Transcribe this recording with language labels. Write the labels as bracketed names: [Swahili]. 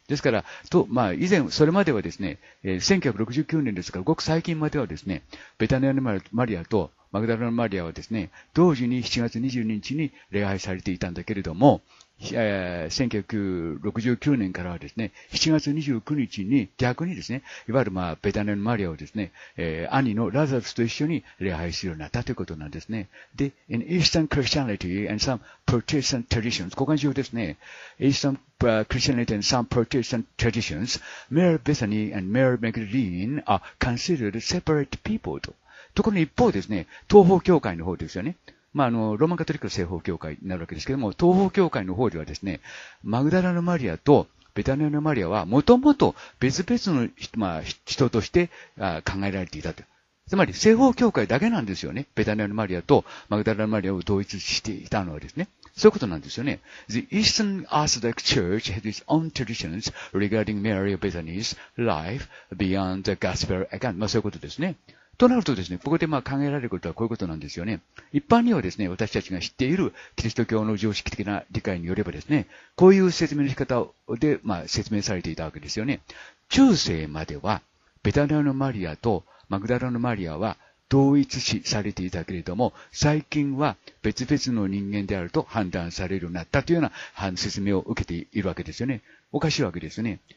[Japanese] ですから、と、まあ、以前、それまではですね、1969年ですから、ごく最近まではですね、ベタニアのマリアとマグダラのマリアはですね、同時に7月22日に礼拝されていたんだけれども、1969年からはですね、7月29日に逆にですね、いわゆるまあ、ベタニアのマリアをですね、兄のラザルスと一緒に礼拝するようになったということなんですね。 [English] で、in Eastern Christianity and some Protestant traditions, [Japanese] ここが重要ですね。 [English] Eastern Christianity and some Protestant traditions, Mary Bethany and Mary Magdalene are considered separate people [Japanese] と。ところに一方ですね、東方教会の方ですよね。まあ、あの、ローマンカトリックの西方教会になるわけですけども、東方教会の方ではですね、マグダラのマリアとベタニアのマリアは、もともと別々の人、まあ、人として考えられていたと。つまり、西方教会だけなんですよね。ベタニアのマリアとマグダラのマリアを同一していたのはですね。そういうことなんですよね。 [English] The Eastern Orthodox Church has its own traditions regarding Mary of Bethany's life beyond the Gospel account. [Japanese] まあ、そういうことですね。となるとですね、ここでまあ考えられることはこういうことなんですよね。一般にはですね、私たちが知っているキリスト教の常識的な理解によればですね、こういう説明の仕方でまあ説明されていたわけですよね。中世までは、ベタニアのマリアとマグダラのマリアは同一視されていたけれども、最近は別々の人間であると判断されるようになったというような説明を受けているわけですよね。おかしいわけですね。